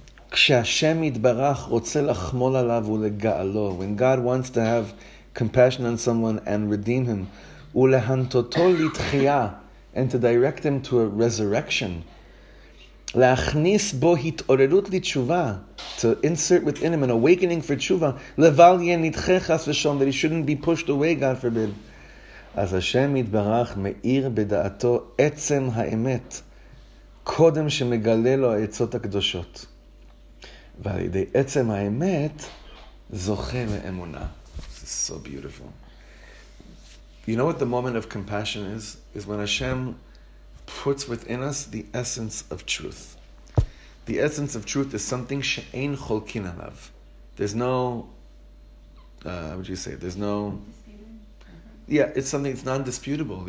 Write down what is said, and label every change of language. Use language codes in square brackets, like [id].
[he] כשהשם יתברך רוצה לחמול עליו ולגאלו, [en] when God wants to have compassion on someone and redeem him, [he] ולהנטותו לתחייה, [en] and to direct him to a resurrection, [he] להכניס בו התעוררות לתשובה, [en] to insert within him an awakening for תשובה, [he] לבל יהיה נדחה חס ושום, [en] that he shouldn't be pushed away, God forbid. [he] אז השם יתברך מאיר בדעתו עצם האמת, קודם שמגלה לו העצות הקדושות. ועל ידי עצם האמת, זוכה לאמונה. [en] This is so beautiful. You know what the moment of compassion is? Is when Hashem puts within us the essence of truth. The essence of truth is something [he] שאין חולקין עליו. [en] There's no, how would you say it? There's no, yeah, it's something, it's non-disputable.